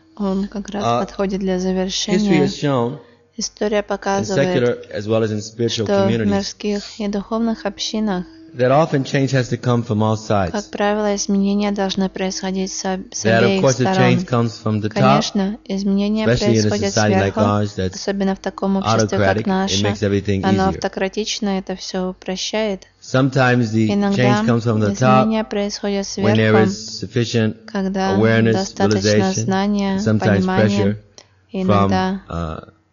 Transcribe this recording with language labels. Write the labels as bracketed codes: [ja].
[ru] Он как раз подходит для завершения. История показывает, что в мирских и духовных общинах [en] that often change has to come from all sides. [ru] Как правило, изменения должны происходить с обеих сторон. [en] That of course the change comes from the top. [ru] Конечно, изменения происходят сверху, особенно в таком обществе, как наше. Оно автократично, это все упрощает. [en] Sometimes the change comes from the top. [ru] Изменения происходят сверху, [en] when there is sufficient awareness, realization, sometimes pressure from